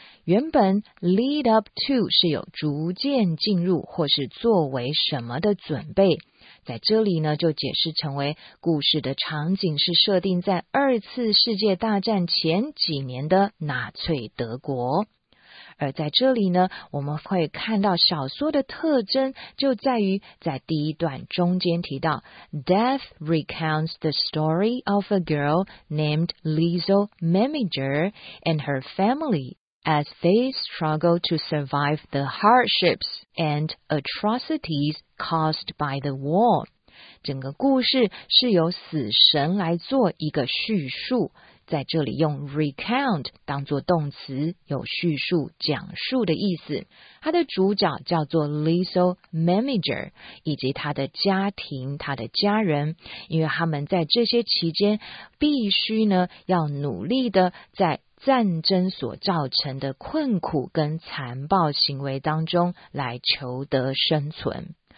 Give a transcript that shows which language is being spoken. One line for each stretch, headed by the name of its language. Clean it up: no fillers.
Chinese: 原本 lead up to 是有逐渐进入或是作为什么的准备，在这里呢，就解释成为故事的场景是设定在二次世界大战前几年的纳粹德国。而在这里呢，我们会看到小说的特征就在于在第一段中间提到
English: Death recounts the story of a girl named Liesl Memminger and her family as they struggle to survive the hardships and atrocities caused by the war.
Chinese: 整个故事是由死神来做一个叙述，在这里用 recount 当作动词，有叙述、讲述的意思。它的主角叫做 Liesl Memminger， 以及他的家庭、他的家人，因为他们在这些期间必须呢要努力的在战争所造成的困苦跟残暴行为当中来求得生存。